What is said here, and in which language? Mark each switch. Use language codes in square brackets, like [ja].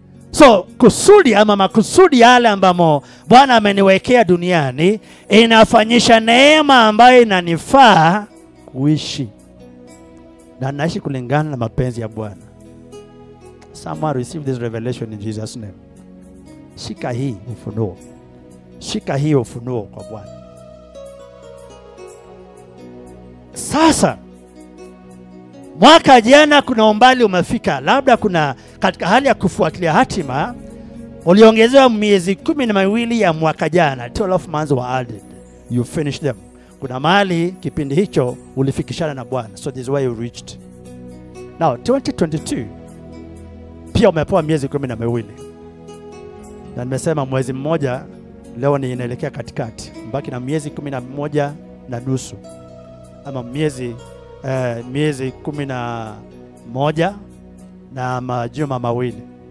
[sw] So kusudi ama makusudi yale ambamo Bwana ameniwekea duniani inafanyisha neema ambayo inanifaa kuishi. Na naishi kulingana na mapenzi ya Bwana. [en] Someone receive this revelation in Jesus' name. [sw] Shika hii ufunuo. Shika hii ufunuo kwa Bwana. Sasa mwaka jana kuna umbali umefika, labda kuna katika hali ya kufuatilia hatima uliongezewa miezi 12 ya mwaka jana. [en] 12 months were added, you finish them. [sw] Kuna mali kipindi hicho ulifikishana na Bwana, [en] so this is where you reached. [sw] Now 2022 pia umepewa miezi 12, na nimesema mwezi mmoja leo ni inaelekea katikati, mbaki na miezi 11 na nusu ama miezi 11 na majuma mawili.